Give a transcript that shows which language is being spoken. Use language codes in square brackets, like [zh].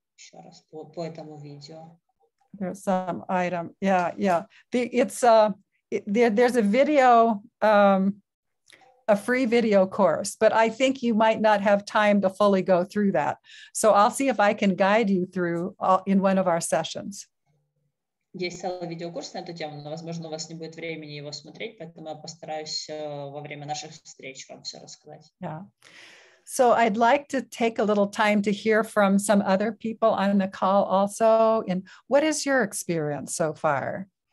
[ru] Еще раз по этому видео. [en] There's some item. Yeah. There's a video, a free video course, but I think you might not have time to fully go through that. So I'll see if I can guide you through in one of our sessions. [ru] Есть целый видеокурс на эту тему, но, возможно, у вас не будет времени его смотреть, поэтому я постараюсь во время наших встреч вам все рассказать. [en] Yeah. So I'd like to take a little time to hear from some other people on the call also. And what is your experience so far?